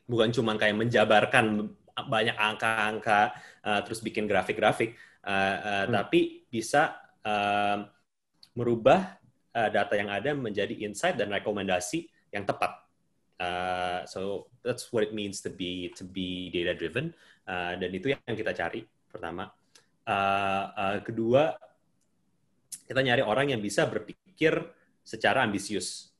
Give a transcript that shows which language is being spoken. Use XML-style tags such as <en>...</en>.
<id>Bukan cuma kayak menjabarkan banyak angka-angka, terus bikin grafik-grafik, tapi bisa merubah data yang ada menjadi insight dan rekomendasi yang tepat.</id> <en>So that's what it means to be data-driven.</en> <id>Dan itu yang kita cari, pertama. Kedua, kita nyari orang yang bisa berpikir secara ambisius.</id>